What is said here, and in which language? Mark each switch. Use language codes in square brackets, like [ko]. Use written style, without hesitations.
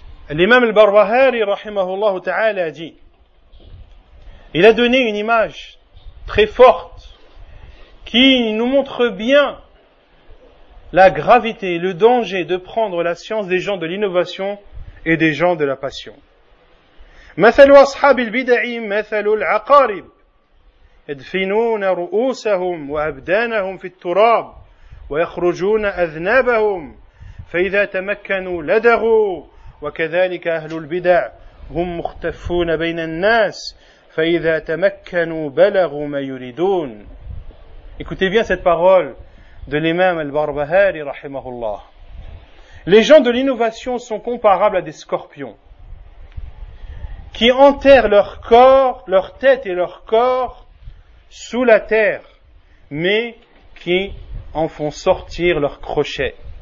[fr] L'imam al-Barwahari, rahimahullah ta'ala, a dit, il a donné une image très forte qui nous montre bien la gravité, le danger de prendre la science des gens de l'innovation et des gens de la passion. [ar] مثل أصحاب البدع مثل العقارب يدفنون رؤوسهم وأبدانهم في التراب ويخرجون أذنابهم فإذا تمكنوا لدغوا وكذلك أهل البدع هم مختفون بين الناس فإذا تمكنوا بلغوا ما يريدون. [fr] Écoutez bien cette parole de l'imam al-Barbahari rahimahullah. Les gens de l'innovation sont comparables à des scorpions qui enterrent leur corps, leur tête et leur corps sous la terre, mais qui en font sortir leurs crochets.